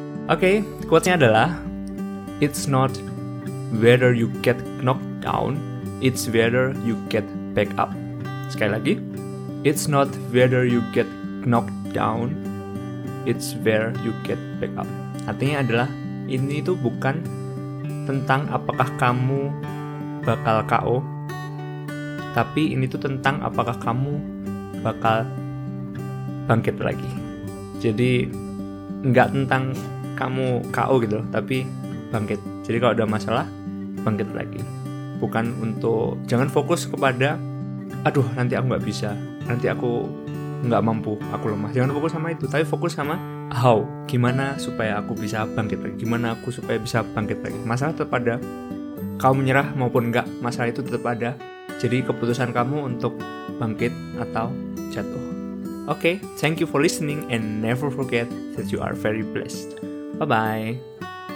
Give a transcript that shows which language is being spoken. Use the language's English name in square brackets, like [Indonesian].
[Indonesian] Oke, quotes-nya adalah, [English] "It's not whether you get knocked down, it's whether you get back up." [Indonesian] Sekali lagi, [English] "It's not whether you get knocked down, it's where you get back up." [Indonesian] Artinya adalah, ini tuh bukan tentang apakah kamu bakal KO, tapi ini tuh tentang apakah kamu bakal bangkit lagi. Jadi nggak tentang kamu KO gitu loh, tapi bangkit. Jadi kalau ada masalah, bangkit lagi. Bukan untuk, jangan fokus kepada, aduh nanti aku nggak bisa, nanti aku nggak mampu, aku lemah. Jangan fokus sama itu, tapi fokus sama how, gimana supaya aku bisa bangkit lagi, gimana aku supaya bisa bangkit lagi. Masalah tetap ada, kamu menyerah maupun enggak, masalah itu tetap ada. Jadi keputusan kamu untuk bangkit atau jatuh. [English] Okay, thank you for listening and never forget that you are very blessed. Bye-bye.